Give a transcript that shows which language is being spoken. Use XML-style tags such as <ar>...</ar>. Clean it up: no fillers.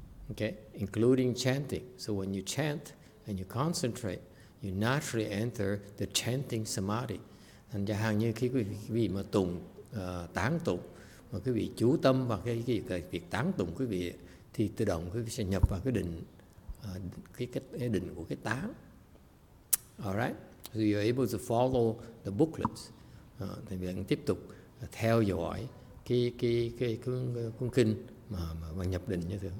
<en>okay, including chanting. So when you chant and you concentrate, you naturally enter the chanting samadhi.</en> <vi>Thành ra hàng như khi quý vị mà tụng, tán tụng, mà quý vị chú tâm vào cái việc tán tụng quý vị, thì tự động quý vị sẽ nhập vào cái định, cái định của cái tán.</vi> <en>Alright, so you're able to follow the booklets.</en> <vi>Thì mình tiếp tục theo dõi cái kinh mà bạn nhập định như thường.</vi>